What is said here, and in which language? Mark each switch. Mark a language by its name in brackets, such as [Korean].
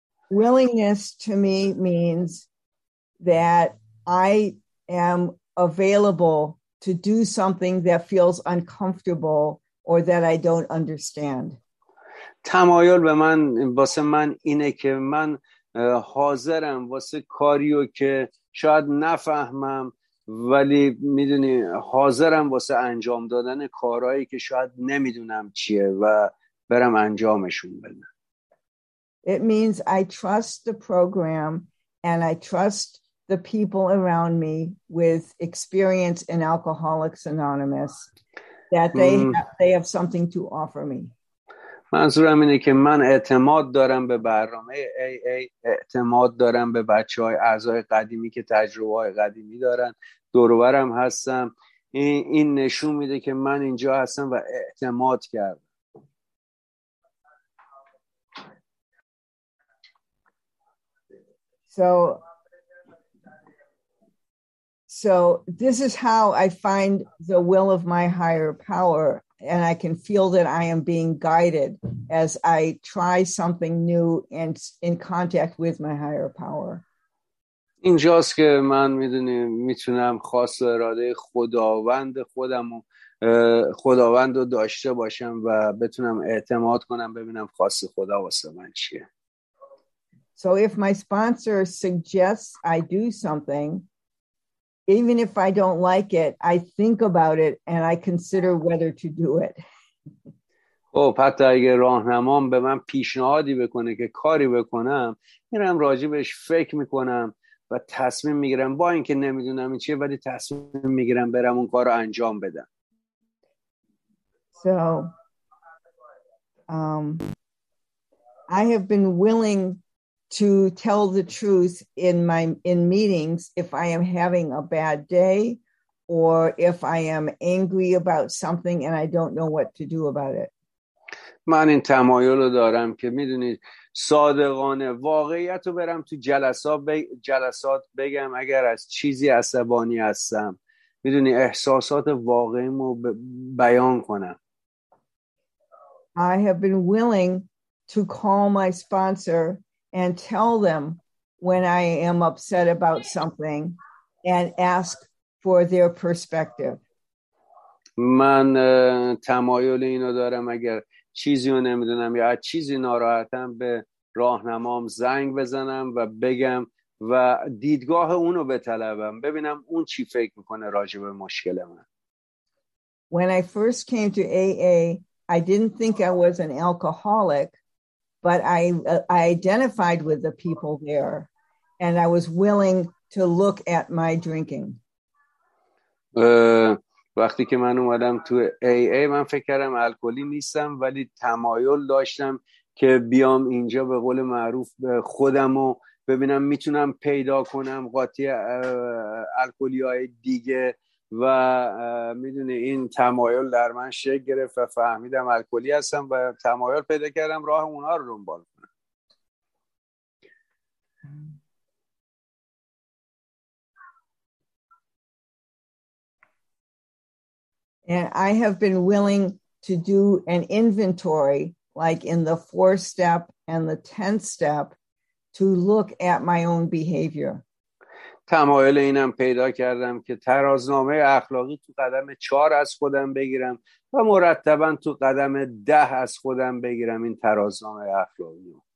[English] Willingness to me means that I am available to do something that feels uncomfortable or that I don't understand. [Persian] تمایل به من واسه من اینه که من حاضرم واسه کاریو که شاید نفهمم، ولی میدونی حاضرم واسه انجام دادن کارهایی که شاید نمیدونم چیه و برم انجامشون بدم. [English] It means I trust the program and I trust the people around me with experience in Alcoholics Anonymous that they have something to offer me. [Persian] منظورم اینه که من اعتماد دارم به برنامه AA، اعتماد دارم به بچهای اعضای قدیمی که تجربه های قدیمی دارن دور و برم هستم. این نشون میده که من اینجا هستم و اعتماد کردم. [English] So this is how I find the will of my higher power, and I can feel that I am being guided as I try something new and in contact with my higher power. [Persian] اینجاست که من میتونم خواست و اراده خداوند خودمو خداوندو داشته باشم و بتونم اعتماد کنم ببینم خواست خدا واسه من چیه. [English] So if my sponsor suggests I do something, even if I don't like it, I think about it and I consider whether to do it. [Persian] او حتی اگه راهنمام به من پیشنهادی بکنه که کاری بکنم، میرم راجبش فکر میکنم و تصمیم میگیرم، با اینکه نمیدونم این چیه ولی تصمیم میگیرم برم اون کارو انجام بدم. [English] So I have been willing to tell the truth in meetings if I am having a bad day or if I am angry about something and I don't know what to do about it. [Persian] من این تمایل رو دارم که میدونید صادقانه واقعیت رو برم تو جلسات بگم اگر از چیزی عصبانی هستم، میدونی احساسات واقعیم رو بیان کنم. [English] I have been willing to call my sponsor and tell them when I am upset about something and ask for their perspective. [Persian] من تمایل اینو دارم اگر چیزی رو نمیدونم یا از چیزی ناراحتم به راهنمام زنگ بزنم و بگم و دیدگاه اونو بطلبم ببینم اون چی فکر میکنه راجع به مشکل من. [English] When I first came to AA, I didn't think I was an alcoholic, but I identified with the people there and I was willing to look at my drinking. [Persian] وقتی که من اومدم تو AA من فکر کردم الکلی نیستم ولی تمایل داشتم که بیام اینجا به قول معروف به خودمو ببینم میتونم پیدا کنم قاطی الکلی‌های دیگه و میدونه این تمایل در من شکل گرفت و فهمیدم الکلی هستم و تمایل پیدا کردم راه اونا رو دنبال کنم. [English] And I have been willing to do an inventory, like in the 4-step and the 10-step, to look at my own behavior. [Persian] تمایل اینم پیدا کردم که ترازنامه اخلاقی تو قدم 4 از خودم بگیرم و مرتبا تو قدم 10 از خودم بگیرم این ترازنامه اخلاقی.